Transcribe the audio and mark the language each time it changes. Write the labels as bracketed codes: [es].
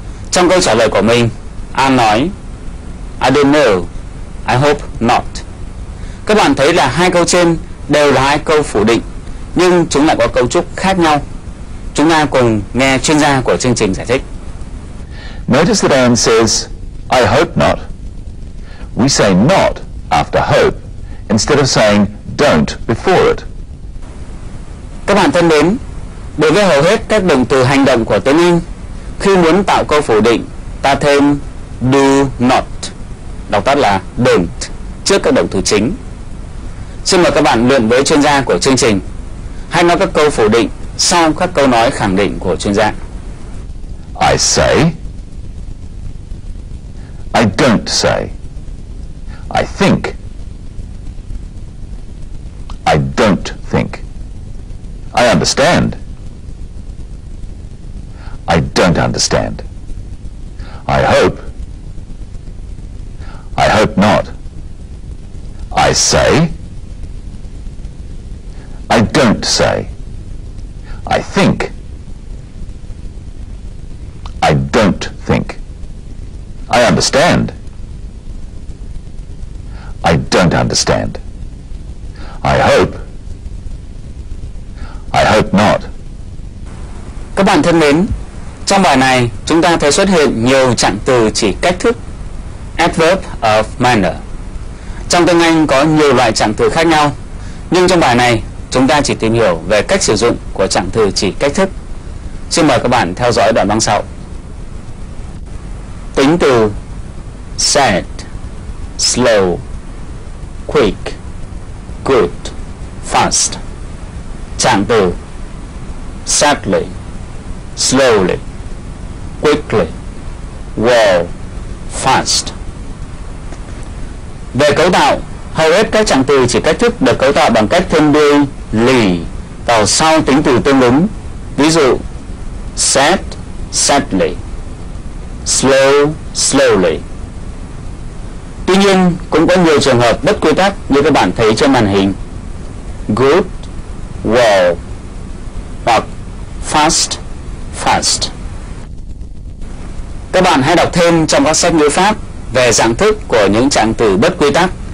[vi] Trong câu trả lời của mình, An nói [en] I don't know, I hope not. [vi] Các bạn thấy là hai câu trên đều là hai câu phủ định, nhưng chúng lại có cấu trúc khác nhau. Chúng ta cùng nghe chuyên gia của chương trình giải thích. [en] Notice that Anne says, I hope not. We say not after hope, instead of saying don't before it. [vi] Các bạn thân mến, đối với hầu hết các động từ hành động của tiếng Anh, khi muốn tạo câu phủ định, ta thêm do not, đọc tắt là don't, trước các động từ chính. Xin mời các bạn luyện với chuyên gia của chương trình, hay nói các câu phủ định sau các câu nói khẳng định của chuyên gia. [en] I say, I don't say, I think, I don't think, I understand, I don't understand, I hope not, I say, I don't say, I think, I don't think, I understand, I don't understand, I hope not. [vi] Các bạn thân mến, trong bài này chúng ta thấy xuất hiện nhiều trạng từ chỉ cách thức, adverb of manner. Trong tiếng Anh có nhiều loại trạng từ khác nhau, nhưng trong bài này chúng ta chỉ tìm hiểu về cách sử dụng của trạng từ chỉ cách thức. Xin mời các bạn theo dõi đoạn băng sau. Tính từ [en] sad, slow, quick, good, fast. [vi] Trạng từ [en] sadly, slowly, quickly, well, fast. [vi] Về cấu tạo, hầu hết các trạng từ chỉ cách thức được cấu tạo bằng cách thêm đuôi ly vào sau tính từ tương ứng. Ví dụ, [en] sad, sadly, slow, slowly. [vi] Tuy nhiên, cũng có nhiều trường hợp bất quy tắc như các bạn thấy trên màn hình. [en] Good, well, [vi] hoặc [en] fast, fast. [vi] Các bạn hãy đọc thêm trong các sách ngữ pháp về dạng thức của những trạng từ bất quy tắc.